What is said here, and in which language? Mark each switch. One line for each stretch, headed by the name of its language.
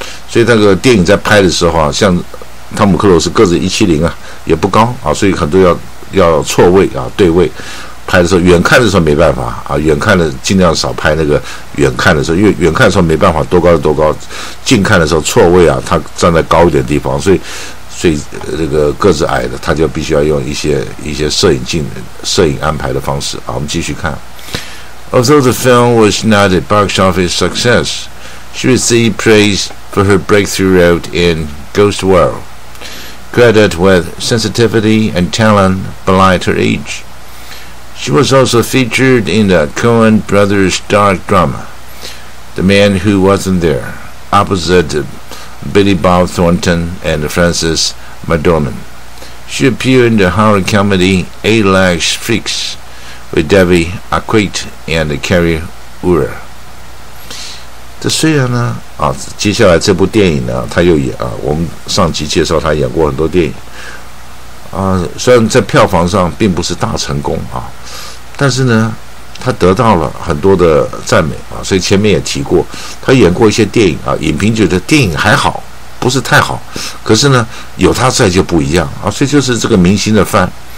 Chinese: 所以那个电影在拍的时候啊，像汤姆克鲁斯个子170啊，也不高啊，所以很多要错位啊，对位拍的时候，远看的时候没办法啊，远看的尽量少拍那个远看的时候，因为远看的时候没办法多高多高，近看的时候错位啊，他站在高一点地方，所以这个个子矮的他就必须要用一些摄影安排的方式啊。我们继续看。
English: Although the film was not a box office success, she received praise for her breakthrough role in Ghost World. Credit with sensitivity and talent belied her age. She was also featured in the Coen Brothers' dark drama, The Man Who Wasn't There, opposite Billy Bob Thornton and Frances McDormand. She appeared in the horror comedy Eight Legged Freaks with Debbie Aquette and Carrie Ure.
Chinese: 这虽然呢，啊，接下来这部电影呢，他又演啊，我们上集介绍他演过很多电影。啊，虽然在票房上并不是大成功啊，但是呢，他得到了很多的赞美啊，所以前面也提过，他演过一些电影啊，影评觉得电影还好，不是太好，可是呢，有他在就不一样啊，所以就是这个明星的范。